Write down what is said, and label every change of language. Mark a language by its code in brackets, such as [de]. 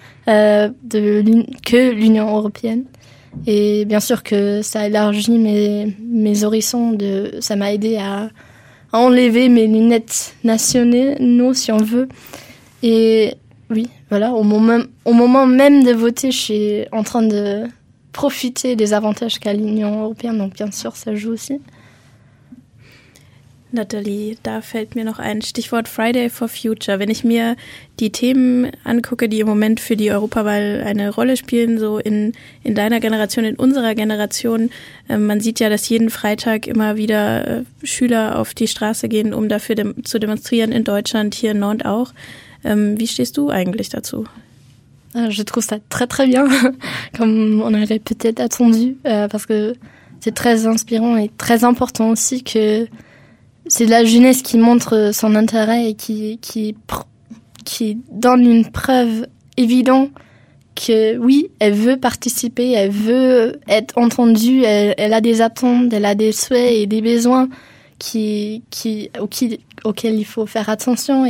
[fr] Que l'Union européenne. Et bien sûr que ça a élargi mes horizons, ça m'a aidé à enlever mes lunettes nationales, si on veut. Et oui, voilà, au moment même de voter, je suis en train de profiter des avantages qu'a l'Union européenne, donc bien sûr, ça joue aussi. [de] Nathalie, da fällt mir noch ein Stichwort: Friday for Future. Wenn ich mir die Themen angucke, die im Moment für die Europawahl eine Rolle spielen, so in deiner Generation, in unserer Generation, man sieht ja, dass jeden Freitag immer wieder Schüler auf die Straße gehen, um dafür zu demonstrieren, in Deutschland, hier in Nantes auch. Wie stehst du eigentlich dazu? [fr] Je trouve ça très très bien, comme on aurait peut-être attendu, parce que c'est très inspirant et très important aussi que c'est la jeunesse qui montre son intérêt et qui donne une preuve évidente que oui, elle veut participer, elle veut être entendue, elle a des attentes, elle a des souhaits et des besoins auxquels il faut faire attention.